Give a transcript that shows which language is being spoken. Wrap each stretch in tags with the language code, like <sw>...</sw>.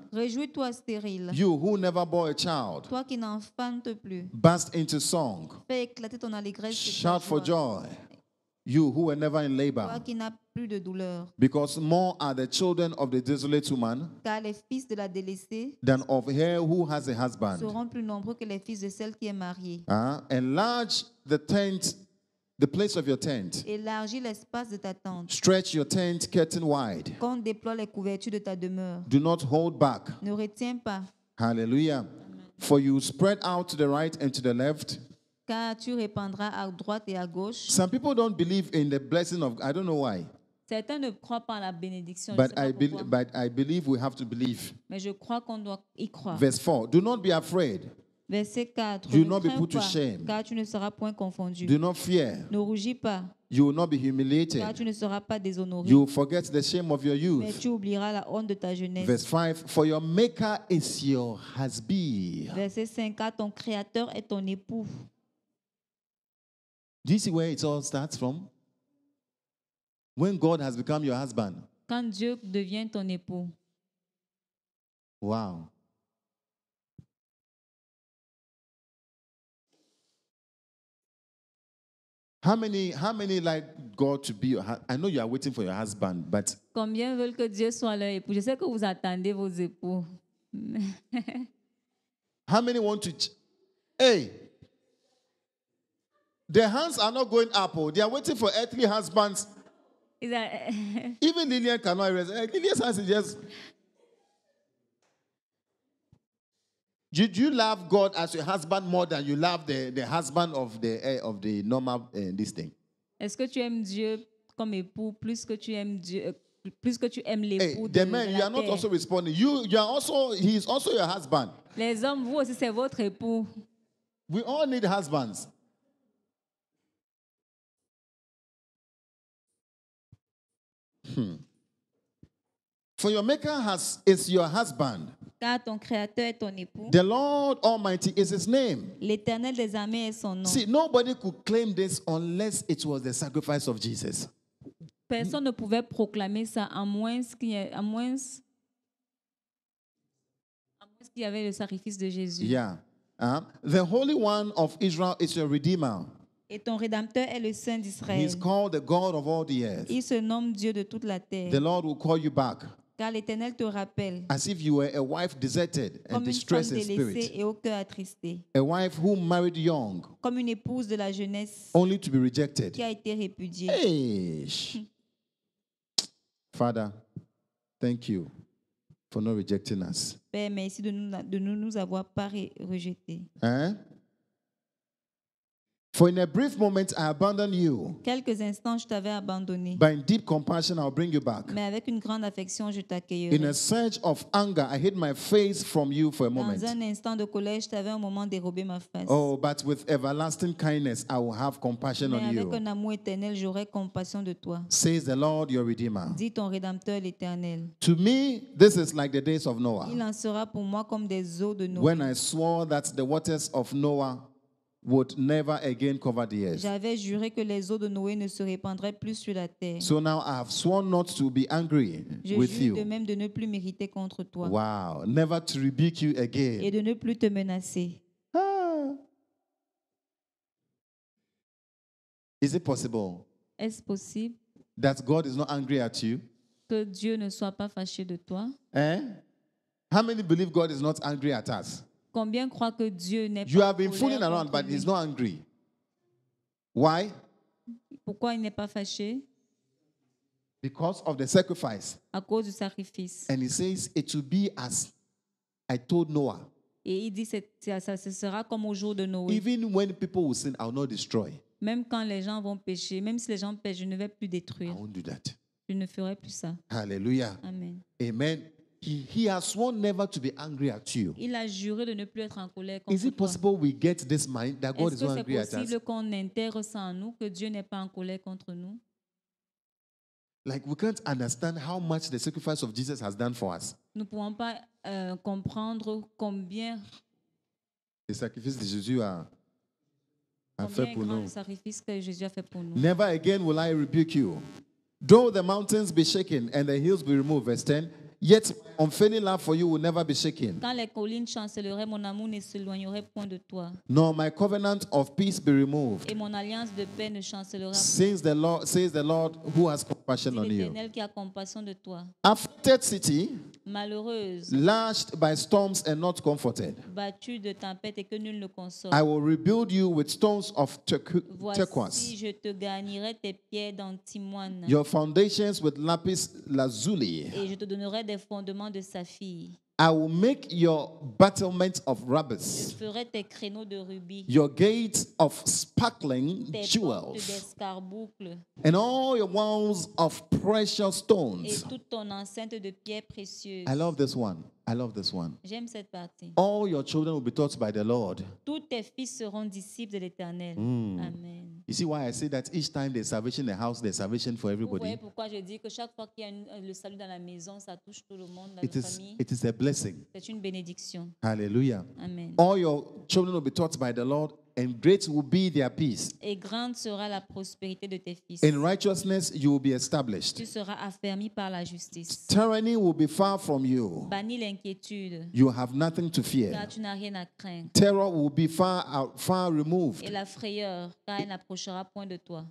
<fr>Réjouis-toi, stérile.</fr> <en>You who never bore a child.</en> <fr>Toi qui n'enfantes plus.</fr> <en>Burst into song.</en> <fr>Fais éclater ton allégresse.</fr> <en>Shout for joy. You who were never in labor.</en> <fr>Toi qui n'as plus de douleur.</fr> <en>Because more are the children of the desolate woman.</en> <fr>Car les fils de la délaissée.</fr> <en>Than of her who has a husband.</en> <fr>Seront plus nombreux que les fils de celle qui est mariée.</fr> <en>Enlarge the tent. The place of your tent.</en> <fr>Élargis l'espace de ta tente.</fr> <en>Stretch your tent curtain wide.</en> <fr>Qu'on déploie les couvertures de ta demeure.</fr> <en>Do not hold back.</en> <fr>Ne retiens pas.</fr> <en>Hallelujah. For you spread out to the right and to the left.</en> <fr>Car tu répandras à droite et à gauche.</fr> <en>Some people don't believe in the blessing of God. I don't know why.</en> <fr>Certains ne croient pas à la bénédiction.</fr> <en>But I believe we have to believe.</en> <fr>Mais je crois qu'on doit y croire.</fr> <en>Verse 4. Do not be afraid.</en> <fr>Verset 4.</fr> <en>You will not be put to shame.</en> <fr>Car tu ne seras point confondu.</fr> <en>Do not fear.</en> <fr>Ne rougis pas.</fr> <en>You will not be humiliated.</en> <fr>Car tu ne seras pas déshonoré.</fr> <en>You will forget the shame of your youth.</en> <fr>Mais tu oublieras la honte de ta jeunesse.</fr> <en>Verse 5. For your maker is your husband.</en> <fr>Verset 5. Car ton créateur est ton époux.</fr> <en>Do you see where it all starts from? When God has become your husband.</en> <fr>Quand Dieu devient ton époux.</fr> <en>Wow. How many like God to be your husband? I know you are waiting for your husband, but</en> <fr>combien veulent que Dieu soit leur époux? Je sais que vous attendez vos époux.</fr> <en>How many want to Hey! Their hands are not going up. They are waiting for earthly husbands. Is that, even Lillian cannot raise. Lillian's hands is just. Did you love God as your husband more than you love the husband of the normal this thing?</en> <fr>Est-ce que tu aimes Dieu comme époux plus que tu aimes Dieu plus que tu aimes l'époux hey, de</fr> <en>men,</en> <fr>la</fr> <en>you are not</en> <fr>terre.</fr> <en>Also responding. You are also, he is also your husband.</en> <fr>Les hommes, vous aussi, c'est votre époux.</fr> <en>We all need husbands. For your maker has is your husband.</en> <fr>Car ton créateur est ton époux.</fr> <en>The Lord Almighty is his name.</en> <fr>L'Éternel des armées est son nom.</fr> <en>See, nobody could claim this unless it was the sacrifice of Jesus.</en> <fr>Personne ne pouvait proclamer ça à moins qu'il y avait le sacrifice de Jésus.</fr> <en>Yeah. The Holy One of Israel is your Redeemer.</en> <fr>Et ton Rédempteur est le Saint d'Israël.</fr> <en>He is called the God of all the earth.</en> <fr>Il se nomme Dieu de toute la terre.</fr> <en>The Lord will call you back.</en> <fr>Car l'Éternel te rappelle.</fr> <en>As if you were a wife deserted and distressed in spirit.</en> <fr>Comme une femme délaissée et au cœur attristé.</fr> <en>A wife who married young.</en> <fr>Comme une épouse de la jeunesse.</fr> <en>Only to be rejected.</en> <fr>Qui a été répudiée.</fr> <en>Hey. Father, thank you for not rejecting us.</en> <fr>Père, merci de nous avoir pas rejetés. Hein?</fr> <en>For in a brief moment I abandon you.</en> <fr>Quelques instants je t'avais abandonné.</fr> <en>But in deep compassion I'll bring you back.</en> <fr>Mais avec une grande affection je t'accueillerai.</fr> <en>In a surge of anger I hid my face from you for a moment.</en> <fr>Dans un instant de colère je t'avais un moment dérobé ma face.</fr> <en>Oh, but with everlasting kindness I will have compassion</en> <fr>Mais</fr> <en>on you.</en> <fr>Mais avec un amour éternel j'aurai compassion de toi.</fr> <en>Says the Lord your Redeemer.</en> <fr>Dit ton Rédempteur l'Éternel.</fr> <en>To me this is like the days of Noah.</en> <fr>Il en sera pour moi comme des eaux de Noé.</fr> <en>When I swore that the waters of Noah would never again cover the earth.</en> <fr>J'avais juré que les eaux de Noé ne se répandraient plus sur la terre.</fr> <en>So now I have sworn not to be angry with you.</en> <fr>Je jure de même de ne plus m'irriter contre toi.</fr> <en>Wow, never to rebuke you again.</en> <fr>Et de ne plus te menacer.</fr> <en>Ah. Is it possible?</en> <fr>Est-ce possible?</fr> <en>That God is not angry at you?</en> <fr>Que Dieu ne soit pas fâché de toi? Hein?</fr> <en>How many believe God is not angry at us?</en> <fr>Combien croit que Dieu n'est pas</fr> <en>You have been fooling around, but he's not angry. Why?</en> <fr>Pourquoi il n'est pas fâché?</fr> <en>Because of the sacrifice.</en> <fr>À cause du sacrifice.</fr> <en>And he says it will be as I told Noah.</en> <fr>Et il dit ça sera comme au jour de Noé.</fr> <en>Even when people will sin, I will not destroy.</en> <fr>Même quand les gens vont pécher, même si les gens pêchent, je ne vais plus détruire.</fr> <en>I won't do that.</en> <fr>Je ne ferai plus ça. Hallelujah. Amen. Amen.</fr> <en>He has sworn never to be angry at you.</en> <fr>Il a juré de ne plus être en colère contre toi.</fr> <en>Is it possible we get this mind that God is not angry at us?</en> <fr>Est-ce possible qu'on intègre ça en nous que Dieu n'est pas en colère contre nous? Like we can't understand how much the sacrifice of Jesus has done for us. Nous pouvons pas comprendre combien le sacrifice de Jésus a fait pour nous. Combien le sacrifice que Jésus a fait pour nous.</fr> <en>Never again will I rebuke you. Though the mountains be shaken and the hills be removed, verse 10. Yet, unfailing love for you will never be shaken.</en> <fr>Quand les collines chancelleraient, mon amour ne s'éloignerait point de toi.</fr> <en>Nor my covenant of peace be removed.</en> <fr>Et mon alliance de paix ne chancellera pas.</fr> <en>Says the Lord, who has compassion on you.</en> <fr>L'Éternel qui a compassion de toi.</fr> <en>Afflicted city.</en> <fr>Malheureuse.</fr> <en>Lashed by storms and not comforted.</en> <fr>Battue de tempêtes et que nul ne console.</fr> <en>I will rebuild you with stones of turquoise.</en> <fr>Voici, je te garnirai tes pierres d'antimoine.</fr> <en>Your foundations with lapis lazuli.</en> <fr>Et je te donnerai des fondements de saphir.</fr> <en>I will make your battlements of rubies.</en> <fr>Je ferai tes créneaux de rubis.</fr> <en>Your gates of sparkling jewels.</en> <fr>Tes portes d'escarboucles.</fr> <en>And all your walls of precious stones.</en> <fr>Et toute ton enceinte de pierres précieuses.</fr> <en>I love this one. I love this one.</en> <fr>J'aime cette partie.</fr> <en>All your children will be taught by the Lord.</en> <fr>Tous tes fils seront disciples de l'Éternel. Amen.</fr> <en>You see why I say that each time there's salvation in the house, there's salvation for everybody.</en> <fr>Vous voyez pourquoi je dis que chaque fois qu'il y a le salut dans la maison, ça touche tout le monde, dans la famille.</fr> <en>It is a blessing.</en> <fr>C'est une bénédiction. Hallelujah. Amen.</fr> <en>All your children will be taught by the Lord, and great will be their peace.</en> <fr>Et grande sera la prospérité de tes fils.</fr> <en>In righteousness, you will be established.</en> <fr>Tu seras affermi par la justice.</fr> <en>Tyranny will be far from you.</en> <fr>Bannis l'inquiétude.</fr> <en>You have nothing to fear.</en> <fr>Car tu n'as rien à craindre.</fr> <en>Terror will be far removed.</en> <fr>Et la frayeur, car elle n'approchera point de toi.</fr>